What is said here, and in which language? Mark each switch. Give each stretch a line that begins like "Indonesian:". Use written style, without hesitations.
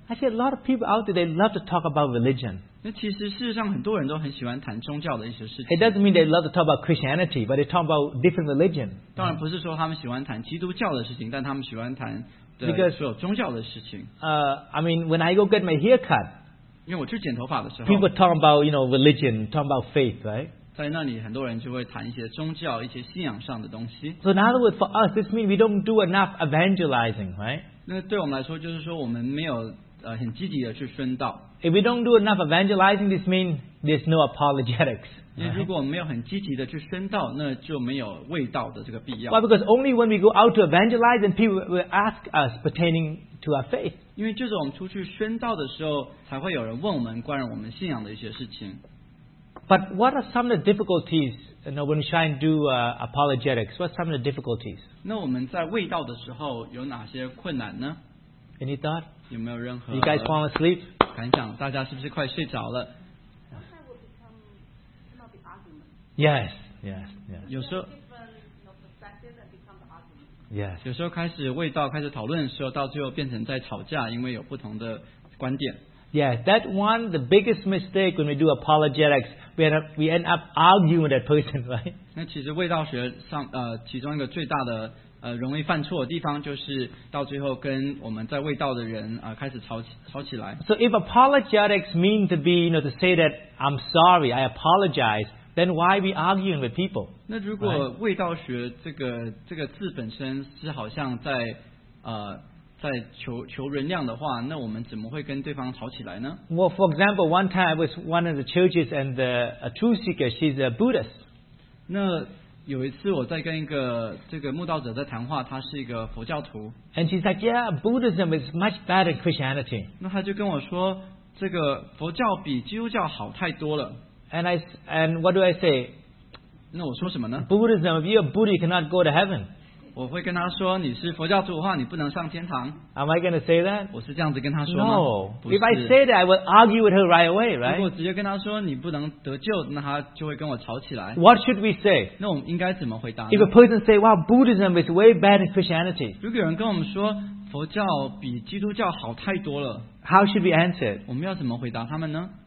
English: Actually, a lot of people out there, they love to talk about religion.
Chinese: 那其实事实上很多人都很喜欢谈宗教的一些事情。
English: It doesn't mean they love to talk about Christianity, but they talk about different religion.
Chinese: 当然不是说他们喜欢谈基督教的事情，但他们喜欢谈所有宗教的事情。
English: Because, I mean, when I go get my haircut,
Chinese: 因为我去剪头发的时候,
English: people talk about, you know, religion, talk about faith, right?
Chinese: 在那里很多人就会谈一些宗教，一些信仰上的东西。
English: So in other words, for us, this means we don't do enough evangelizing, right?
Chinese: 那对我们来说就是说我们没有, 很积极的去宣道。
English: If we don't do enough evangelizing, this means there's no apologetics.
Chinese: 因为如果我们没有很积极的去宣道, 那就没有味道的这个必要。
English: Why? Because only when we go out to evangelize, then people will ask us pertaining to our faith.
Chinese: 因为就是我们出去宣道的时候, 才会有人问我们, 关于我们信仰的一些事情。
English: But what are some of the difficulties, you know, when we try and do apologetics? What are some of the difficulties?
Chinese: 那我们在味道的时候, 有哪些困难呢?
English: Any thought?
Chinese: 有没有任何,
English: you guys fall asleep?
Chinese: 感想, 大家是不是快睡着了?
English: Yes, yes, yes.
Chinese: 有时候,
English: yes.
Chinese: 有时候开始味道开始讨论的时候, 到最后变成在吵架, 因为有不同的观点。
English: Yes, that one, the biggest mistake when we do apologetics, we end up arguing with that person, right?
Chinese: 那其实味道学上, 其中一个最大的, 容易犯错的地方就是到最后跟我们在味道的人, 开始吵起来。
English: So if apologetics means to be, you know, to say that I'm sorry, I apologize, then why are we arguing with people?
Chinese: 那如果味道学这个字本身是好像在 在求人量的话, 那我们怎么会跟对方吵起来呢?
English: Well, for example, one time I was one of the churches and a truth seeker, she's a Buddhist.
Chinese: 那有一次我在跟一个这个慕道者在谈话, 她是一个佛教徒。
English: And she's like, yeah, Buddhism is much better than Christianity.
Chinese: 那她就跟我说, 这个佛教比基督教好太多了。
English: And what do I say?
Chinese: 那我说什么呢?
English: Buddhism, if you're a Buddha, you cannot go to heaven.
Chinese: 我会跟他说, 你是佛教徒的话, 你不能上天堂。
English: Am I going to say that?
Chinese: 我是这样子跟他说吗?
English: No.
Chinese: 不是。
English: If I say that, I would argue with her right away, right?
Chinese: 如果直接跟他说, 你不能得救, 那他就会跟我吵起来。
English: What should we say?
Chinese: 那我们应该怎么回答呢?
English: If a person say, wow, Buddhism is way better than Christianity.
Chinese: 如果有人跟我们说, 佛教比基督教好太多了。
English: How should we answer?
Chinese: 我们要怎么回答他们呢?